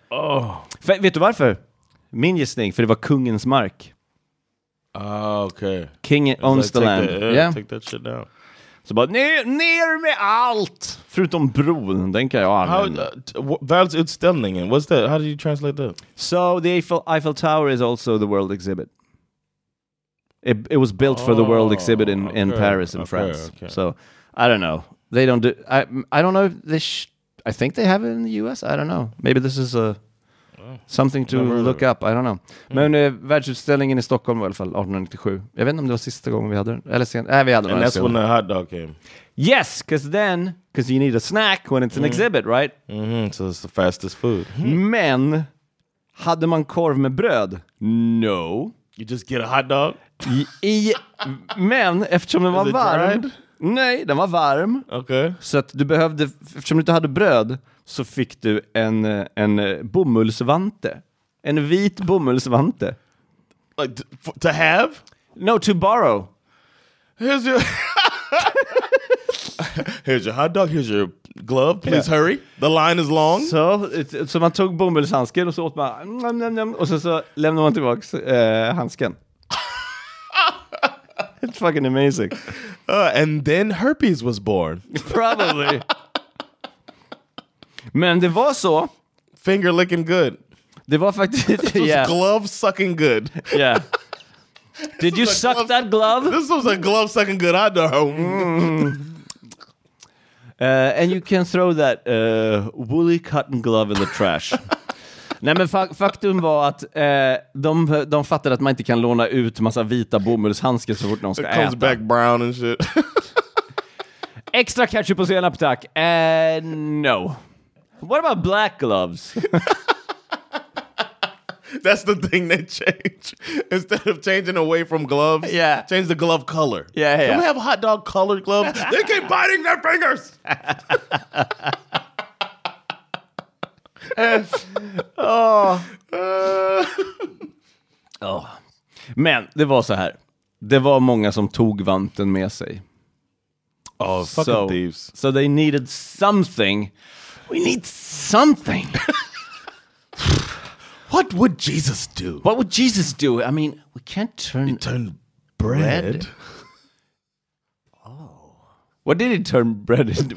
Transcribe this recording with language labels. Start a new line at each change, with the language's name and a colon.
Swedish: Oh. För, vet du varför? Min gissning, för det var kungens mark. Ah, okej.
English: Okay. King owns the land. Take that shit down.
Swedish: Så bara, ner med allt! Förutom bron, den kan jag använda.
English: Världsutställningen, what's that? How did you translate that? So, the Eiffel Tower is also the world exhibit. It was built for the world exhibit in Paris in France. Okay. So, I don't know. They don't do... I don't know if they... I think they have it in the US. I don't know. Maybe this is a... something to look up. I don't know. Mm.
Swedish: Men världsutställningen i Stockholm var i alla fall 1897. Jag vet inte om det var sista gången vi hade den. Eller sen... vi hade den.
English: And that's when the hot dog came. Yes, because then... Because you need a snack when it's an exhibit, right? Mm-hmm. So it's the fastest food.
Swedish: Mm. Men... hade man korv med bröd? No.
English: You just get a hot dog?
Swedish: Men eftersom den var varm dried? Nej, den var varm.
English: Okay.
Swedish: Så att du behövde, eftersom du inte hade bröd, så fick du en bomullsvante. En vit bomullsvante.
English: Like to have? No, to borrow. Here's your here's your hot dog, here's your glove. Please hurry, the line is long.
Swedish: Så so man tog bomullshandsken och så åt man nom, nom, nom, och så lämnade man tillbaka handsken.
English: It's fucking amazing. And then herpes was born. Probably.
Swedish: Men det var så.
English: Finger licking good.
Swedish: Det var faktiskt, yeah.
English: Glove sucking good. Yeah. Did you suck glove, that glove? This was a glove sucking good, I know. And you can throw that woolly cotton glove in the trash.
Swedish: Nej, men faktum var att de fattade att man inte kan låna ut massa vita bomullshandskar så fort någon ska äta.
English: It comes
Swedish: äta.
English: Back brown and shit.
Swedish: Extra ketchup och senap, tack.
English: No. What about black gloves? That's the thing they change. Instead of changing away from gloves, yeah. Change the glove color. Yeah, can yeah. we have hot dog colored gloves? They keep biting their fingers!
Swedish: Oh. Men det var så här. Det var många som tog vanten med sig.
English: Oh, fucking so, thieves. So they needed something. We need something. What would Jesus do? What would Jesus do? I mean, we can't turn bread. What did he turn bread into?